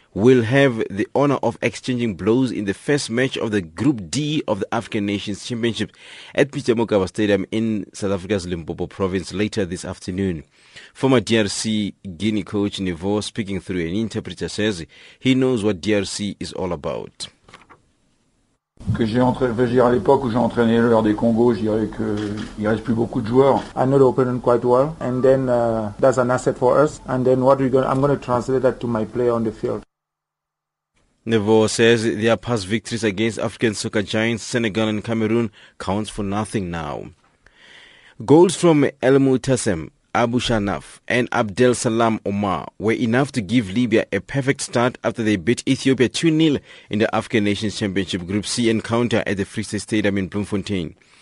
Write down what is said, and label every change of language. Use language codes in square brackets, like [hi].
[en] will have the honor of exchanging blows in the first match of the Group D of the African Nations Championship at Peter Mokaba Stadium in South Africa's Limpopo province later this afternoon. Former DRC Guinea coach Nivo, speaking through an interpreter, says he knows what DRC is all about. [fr] Que j'ai entraîné, à l'époque où j'ai entraîné l'heure des Congo, je dirais que il reste plus beaucoup de joueurs. [en] I know the opponent quite well, and then that's an asset for us. And then what I'm going to translate that to my player on the field. Nevo says their past victories against African soccer giants Senegal and Cameroon counts for nothing now. Goals from El Moutassem, Abu Shanaf and Abdel Salam Omar were enough to give Libya a perfect start after they beat Ethiopia 2-0 in the African Nations Championship Group C encounter at the Free State Stadium in Bloemfontein.